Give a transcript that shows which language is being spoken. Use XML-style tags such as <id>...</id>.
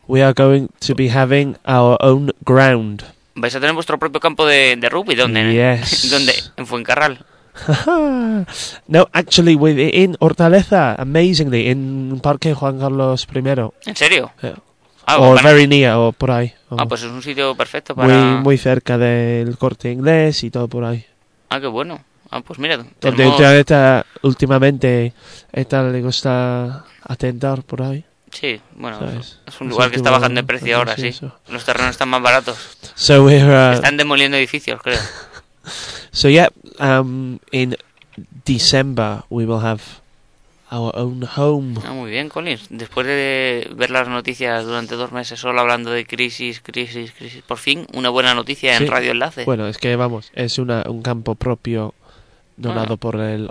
<en>We are going to be having our own ground.</en> <es>¿Vais a tener vuestro propio campo de rugby? ¿Dónde?</es> <en>Yes.</en> <es>¿Dónde? En Fuencarral.</es> <en>No, actually, in Hortaleza, amazingly, in Parque Juan Carlos I.</en> <es>¿En serio?</es> <en>Very near,</en> <es>o por ahí. Pues es un sitio perfecto para... Muy, muy cerca del Corte Inglés y todo por ahí. Ah, qué bueno. Pues mira, donde últimamente esta le gusta atentar por ahí. Sí, bueno, es un lugar que está bajando de precio ahora, sí. Eso. Los terrenos están más baratos.</es> <en>So we're,</en> <es>están demoliendo edificios, creo.</es> <en>So yeah, in December we will have our own home.</en> <es>Ah, muy bien, Collins. Después de ver las noticias durante 2 meses solo hablando de crisis, por fin una buena noticia en Radio Enlace. Bueno, es que vamos, es un campo propio donado por el...</es>